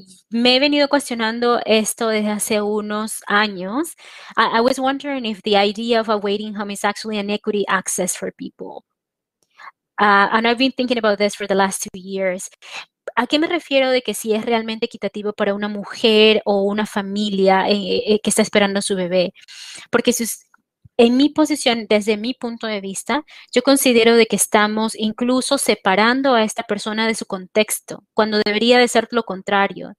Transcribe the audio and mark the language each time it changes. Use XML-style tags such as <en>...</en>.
<es>Me he venido cuestionando esto desde hace unos años.</es> <en>I was wondering if the idea of a waiting home is actually an equity access for people. And I've been thinking about this for the last 2 years.</en> <es>¿A qué me refiero de que si es realmente equitativo para una mujer o una familia que está esperando a su bebé? Porque si es, en mi posición, desde mi punto de vista, yo considero de que estamos incluso separando a esta persona de su contexto, cuando debería de ser lo contrario.</es>